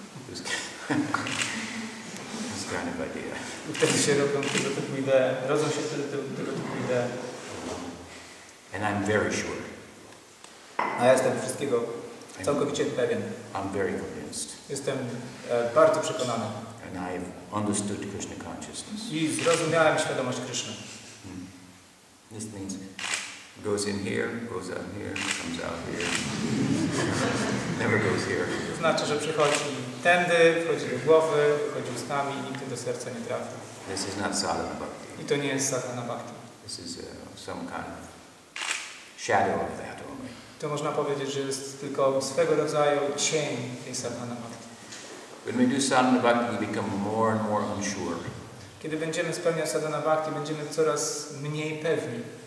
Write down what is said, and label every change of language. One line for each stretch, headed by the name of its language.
English: This kind of idea.
Polish: I wtedy się robią tego typu idee. Rodzą się wtedy tego typu idee.
English: And I'm very sure.
Polish: A ja jestem wszystkiego. Całkowicie pewien.
English: I'm very convinced.
Polish: Jestem bardzo przekonany.
English: And I've understood Krishna consciousness.
Polish: I zrozumiałem świadomość Krishna.
English: This means goes in here, goes out here, comes out here. Never goes here.
Polish: To znaczy, że przychodzi tędy, wchodzi do głowy, wchodzi ustami i nigdy do serca nie trafia.
English: This is not sadhana bhakti.
Polish: I to nie jest sadhana bhakti.
English: This is some kind of shadow of that.
Polish: To można powiedzieć, że jest tylko swego rodzaju cień tej sadhana bhakti.
English: When we do sadhana bhakti, we become more and more unsure.
Polish: Kiedy będziemy spełniać sadhana bhakti, będziemy coraz mniej pewni.